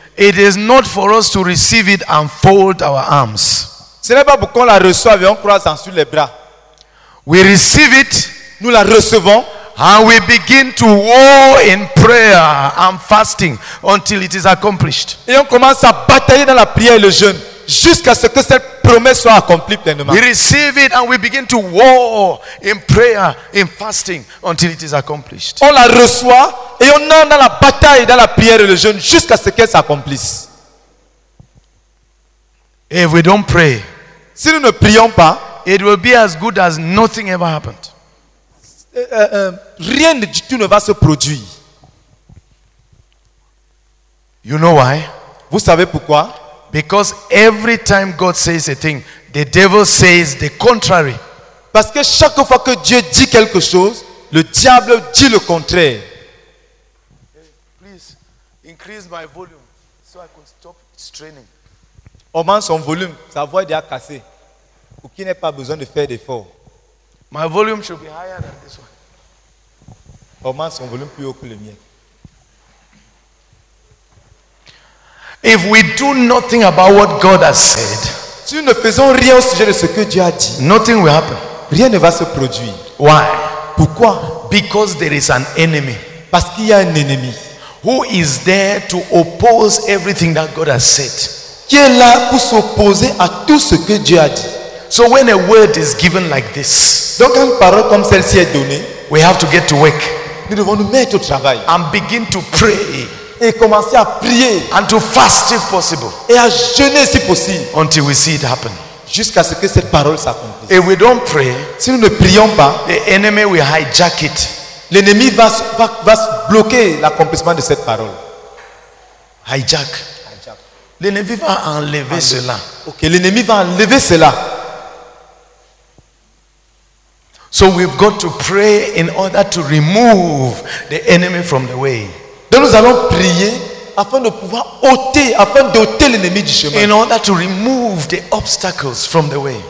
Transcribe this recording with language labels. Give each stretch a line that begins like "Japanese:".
English: it is not for us to receive it and fold our arms.
French: Ce n'est pas pour qu'on la reçoive et on croise en sur les bras.
English: We receive it.
French: Nous la recevons.
English: And we begin to war in prayer and fasting until it is accomplished.
French: Et on commence à batailler dans la prière et le jeûne jusqu'à ce que cette promesse soit accomplie pleinement.
English: We receive it and we begin to war in prayer in fasting until it is accomplished.
French: On la reçoit et on entre dans la bataille dans la prière et le jeûne jusqu'à ce qu'elle s'accomplisse.
English: If we don't pray,
French: si nous ne prions pas,
English: it will be as good as nothing ever happened.
French: Rien du tout ne va se produire.
English: You know why?
French: Vous savez pourquoi?
English: Because every time God says a thing, the devil says the contrary.
French: Parce que chaque fois que Dieu dit quelque chose, le diable dit le contraire.
English: Please increase my volume so I can stop straining.
French: Augmente son volume, sa voix est déjà cassée. Ou qui n'a pas besoin de faire d'efforts.
English: My volume should be higher than this one.
French: Augmente son volume plus haut que le mien.
English: If we do nothing about what God has said,
French: si nous ne faisons rien au sujet de ce que Dieu a dit,
English: nothing will happen.
French: Rien ne va se produire.
English: Why?
French: Pourquoi?
English: Because there is an enemy.
French: Parce qu'il y a un ennemi.
English: Who is there to oppose everything that God has said?
French: qui est là pour s'opposer à tout ce que Dieu a dit.
English: So when a word is given like this,
French: donc une parole comme celle-ci est donnée,
English: we have to get to work.
French: Nous devons nous mettre au travail.
English: And begin to pray.
French: Et commencer à prier.
English: And to fast if possible.
French: Et à jeûner si possible.
English: Until we see it happen.
French: Jusqu'à ce que cette parole s'accomplisse.
English: If we don't pray,
French: si nous ne prions pas,
English: the enemy will hijack it.
French: L'ennemi va bloquer l'accomplissement de cette parole. Hijack. L'ennemi va enlever cela. Ok, l'ennemi va enlever cela.
English: So we've got to pray in order to remove the enemy from the way.
French: Donc nous allons prier afin de pouvoir ôter, afin d'ôter l'ennemi du chemin.
English: In order to remove the obstacles from the way.